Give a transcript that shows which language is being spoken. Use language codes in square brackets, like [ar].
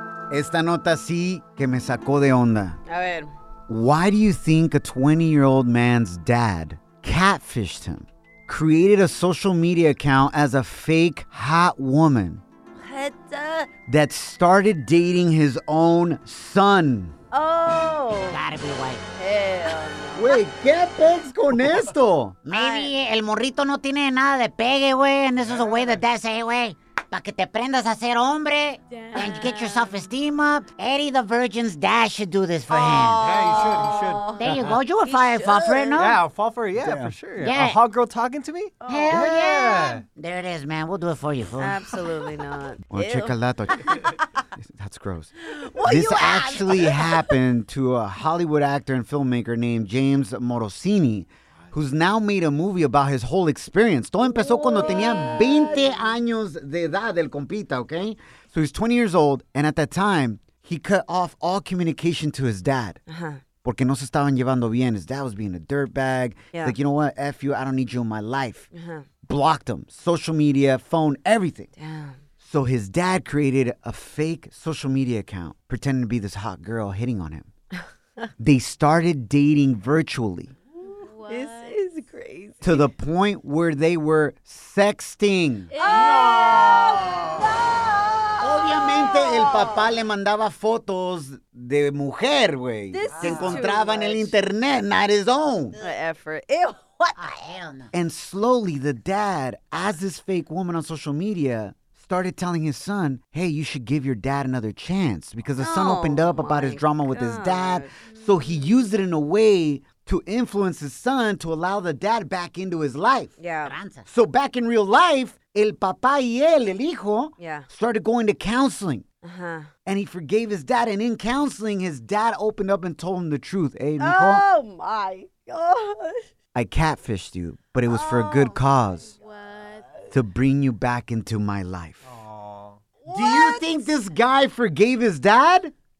[es] Esta nota sí que me sacó de onda. A ver. [en] Why do you think a 20-year-old man's dad catfished him, created a social media account as a fake hot woman that started dating his own son? Gotta be white. [es] Wait, ¿qué pez con esto? [en] Maybe [es] el morrito no tiene nada de pegue, güey, [en] and this is a way that dad say, güey. [es] Para que te prendas a ser hombre [en] and get your self-esteem up. Eddie the Virgin's dad should do this for him. Yeah, he should. There you go. You would fire Fuff, right? No? Yeah, Fuff, for sure. Yeah. A hot girl talking to me? Hell yeah. There it is, man. We'll do it for you, fool. Absolutely not. Well, check a lot. That's gross. This actually happened to a Hollywood actor and filmmaker named James Morosini, who's now made a movie about his whole experience. [es] Todo empezó cuando tenía 20 años de edad el compita, okay? [en] So he's 20 years old, and at that time, he cut off all communication to his dad. [es] Porque no se estaban llevando bien. [en] His dad was being a dirtbag. Yeah. Like, you know what? F you, I don't need you in my life. Blocked him. Social media, phone, everything. Damn. So his dad created a fake social media account pretending to be this hot girl hitting on him. They started dating virtually. This is crazy. To the point where they were sexting. No! [es] Obviamente, el papá le mandaba fotos de mujer, güey. [en] This [es] que encontraba en el internet, [en] not his own. The effort. Ew, what? And slowly, the dad, as this fake woman on social media, started telling his son, hey, you should give your dad another chance. Because the son opened up about his drama with his dad. So he used it in a way to influence his son to allow the dad back into his life. Yeah. So back in real life, [es] el papá y él, el hijo, [en] started going to counseling. Uh-huh. And he forgave his dad. And in counseling, his dad opened up and told him the truth. Hey, mijo. Oh, my gosh. I catfished you, but it was for a good cause. What? To bring you back into my life. Aww. Do you think this guy forgave his dad?